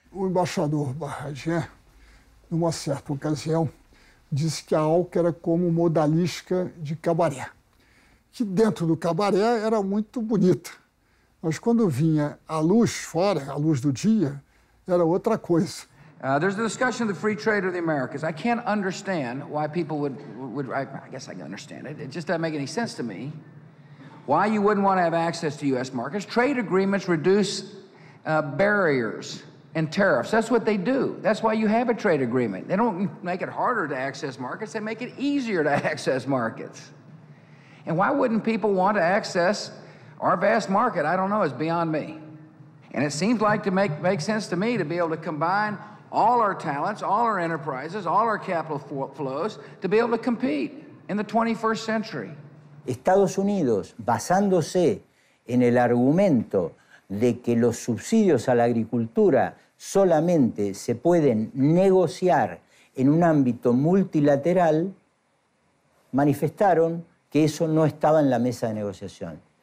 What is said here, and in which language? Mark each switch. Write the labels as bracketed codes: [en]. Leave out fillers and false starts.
[pt] O embaixador Barragé, numa certa ocasião, disse que a ALCA era como uma odalisca de cabaré, que dentro do cabaré era muito bonita, mas quando vinha a luz fora, a luz do dia, era outra coisa. [en] There's a discussion of the free trade of the Americas. I can't understand why people would I guess I can understand it. It just doesn't make any sense to me why you wouldn't want to have access to U.S. markets. Trade agreements reduce barriers and tariffs. That's what they do. That's why you have a trade agreement. They don't make it harder to access markets. They make it easier to access markets. And why wouldn't people want to access our vast market? I don't know. It's beyond me. And it seems like to make sense to me to be able to combine all our talents, all our enterprises, all our capital flows to be able to compete in the 21st century. [es] Estados Unidos, basándose en el argumento de que los subsidios a la agricultura solamente se pueden negociar en un ámbito multilateral, manifestaron que eso no estaba en la mesa de negociación.